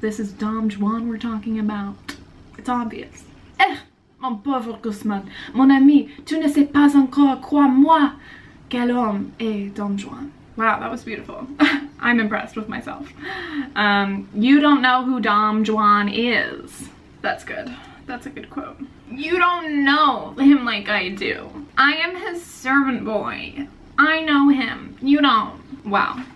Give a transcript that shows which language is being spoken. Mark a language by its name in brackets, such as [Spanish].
[English] This is Dom Juan we're talking about. It's obvious. [French] Eh, mon pauvre Guzman, mon ami, tu ne sais pas encore quoi moi, quel homme est Dom Juan. [English] Wow, that was beautiful. I'm impressed with myself. You don't know who Dom Juan is. That's good. That's a good quote. You don't know him like I do. I am his servant boy. I know him. You don't. Wow.